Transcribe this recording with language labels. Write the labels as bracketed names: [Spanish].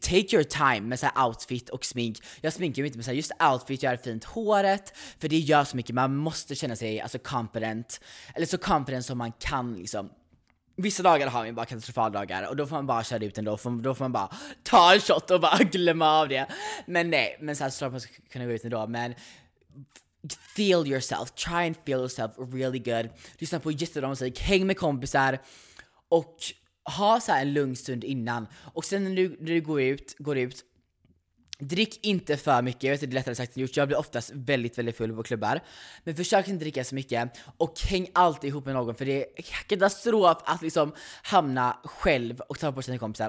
[English] Take your time [Swedish] med så här outfit och smink. Jag sminkar mig inte, men så här, just outfit, gör fint håret, för det gör så mycket. Man måste känna sig alltså confident, eller så confident som man kan liksom. Vissa dagar har vi bara katastrofaldagar, och då får man bara köra ut ändå. Då får man bara ta en shot och bara glömma av det. Men nej, men såhär, så att man ska kunna gå ut ändå. [English] Men feel yourself, try and feel yourself really good. [Swedish] Lyssna på jättebra musik, häng med kompisar och ha så här en lugn stund innan. Och sen när du går ut, drick inte för mycket. Jag vet att det är lättare sagt än gjort. Jag blir oftast väldigt, väldigt full på klubbar. Men försök inte dricka så mycket. Och häng alltid ihop med någon, för det är katastrof att liksom hamna själv och ta på sina kompisar.